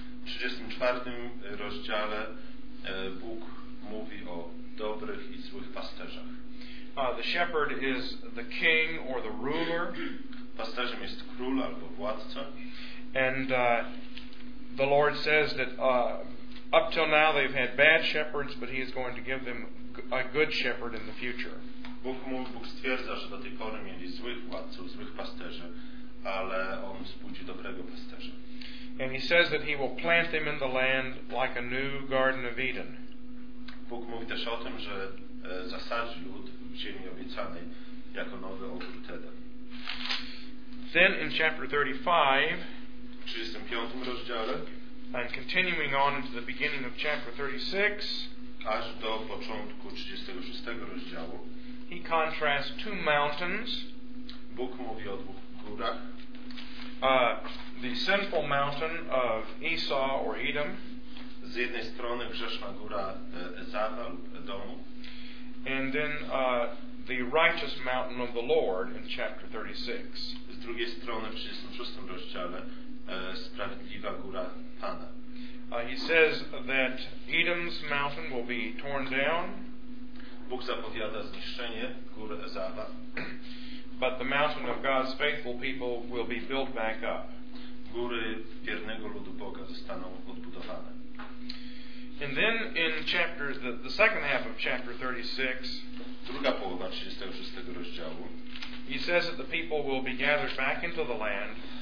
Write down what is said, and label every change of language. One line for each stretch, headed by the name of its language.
Polish: W 34 rozdziale Bóg mówi o dobrych i złych pasterzach.
English: The shepherd is the king or the ruler.
Polish: Pasterzem jest król albo władca.
English: And the Lord says that up till now they've had bad shepherds, but he is going to give them a good shepherd in the future.
Polish: Bóg stwierdza, że do tej pory mieli złych władców, złych pasterzy, ale on wzbudzi dobrego pasterza.
English: And he says that he will plant them in the land like a new Garden of Eden.
Polish: Bóg mówi też o tym, że zasadzi lud w ziemi obiecanej jako nowy ogród Eden.
English: Then in chapter 35,
Polish: w 35 rozdziale,
English: and continuing on into the beginning of chapter 36,
Polish: aż do początku 36 rozdziału,
English: he contrasts two mountains.
Polish: Bóg mówi o dwóch górach.
English: The sinful mountain of Esau or Edom.
Polish: Z jednej strony grzeszna góra Ezawa lub Edomu.
English: And then the righteous mountain of the Lord in chapter 36.
Polish: Z drugiej strony w 36 rozdziale sprawiedliwa góra Pana.
English: He says that Edom's mountain will be torn down.
Polish: Bóg zapowiada zniszczenie góry Ezawa.
English: But the mountain of God's faithful people will be built back up.
Polish: Góry wiernego ludu Boga zostaną odbudowane.
English: And then in chapter the second half of chapter 36,
Polish: druga połowa 36 rozdziału,
English: he says that the people will be gathered back into the land.